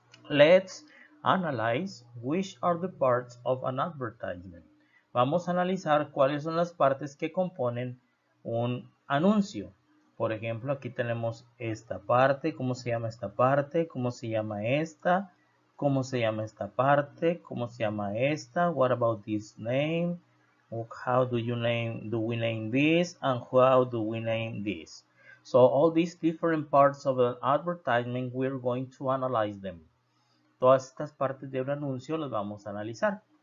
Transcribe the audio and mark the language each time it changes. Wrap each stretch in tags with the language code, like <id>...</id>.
<en>Let's analyze which are the parts of an advertisement.</en> <es>Vamos a analizar cuáles son las partes que componen un anuncio. Por ejemplo, aquí tenemos esta parte. ¿Cómo se llama esta parte? ¿Cómo se llama esta? ¿Cómo se llama esta parte? ¿Cómo se llama esta?</es> <en>What about this name? How do you name, do we name this? And how do we name this? So all these different parts of an advertisement, we're going to analyze them.</en> <es>Todas estas partes de un anuncio las vamos a analizar.</es>